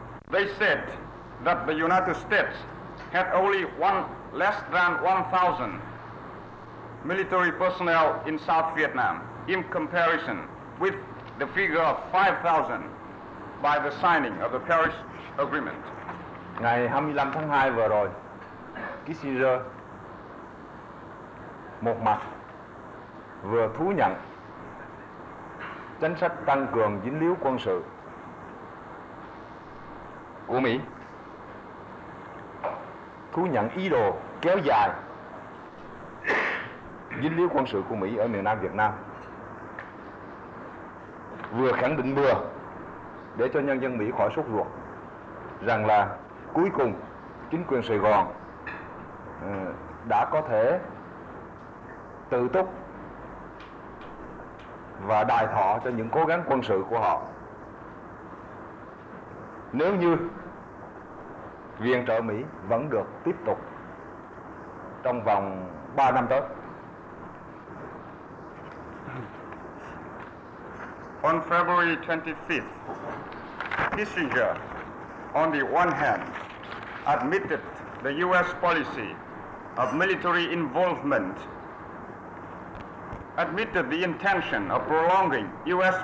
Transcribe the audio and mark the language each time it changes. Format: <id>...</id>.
<en>They said that the United States had only less than 1,000 military personnel in South Vietnam in comparison with the figure of 5,000 by the signing of the Paris Agreement.</en> <vi>Ngày 25 tháng 2 vừa rồi, Kissinger một mặt vừa thú nhận chính sách tăng cường dính líu quân sự của Mỹ, thú nhận ý đồ kéo dài dính líu quân sự của Mỹ ở miền Nam Việt Nam, vừa khẳng định vừa để cho nhân dân Mỹ khỏi sốt ruột rằng là cuối cùng chính quyền Sài Gòn đã có thể tự túc và đài thọ cho những cố gắng quân sự của họ nếu như viện trợ Mỹ vẫn được tiếp tục trong vòng 3 năm tới.</vi> <en>On February 25th, Kissinger, on the one hand, admitted the U.S. policy of military involvement, admitted the intention of prolonging U.S.</en>